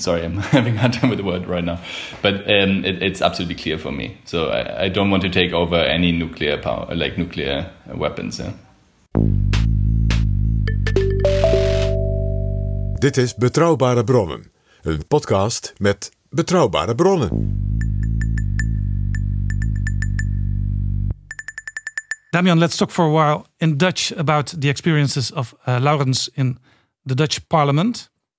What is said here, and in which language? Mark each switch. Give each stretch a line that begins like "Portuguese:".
English: Sorry, I'm having a hard time with the word right now. But it's absolutely clear for me. So I don't want to take over any nuclear power, like nuclear weapons. Eh?
Dutch: Dit is Betrouwbare Bronnen, een podcast met betrouwbare bronnen.
English: Damian, let's talk for a while in Dutch about the experiences of Laurens in the Dutch parliament.